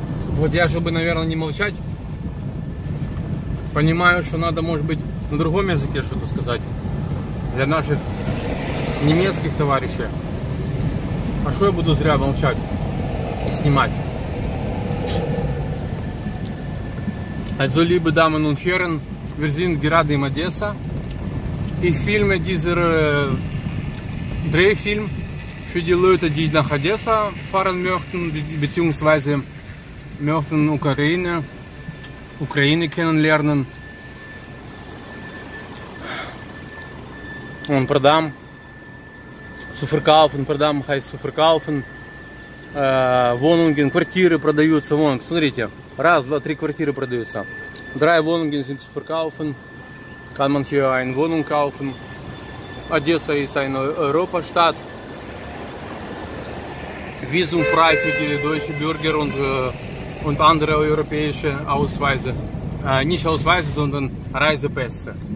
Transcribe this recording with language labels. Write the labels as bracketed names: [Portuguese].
[Russian] Вот я, чтобы, наверное, не молчать, понимаю, что надо, может быть, на другом языке что-то сказать для наших немецких товарищей. А что я буду зря молчать и снимать? [German] Also, liebe Damen und Herren, wir sind gerade in Odessa. Ich filme dieser Drehfilm für die Leute, die nach Odessa fahren möchten, beziehungsweise möchten Ukraine, Ukraine kennenlernen. Und продам, zu verkaufen, продам heißt zu verkaufen. [Russian] Wohnungen, квартиры продаются. Вон, смотрите, раз, два, три квартиры продаются. [German] Drei Wohnungen sind zu verkaufen. Kann man hier eine Wohnung kaufen? Odessa ist eine Europastadt. Visumfrei für die deutsche Bürger und und andere europäische Ausweise, nicht Ausweise, sondern Reisepässe.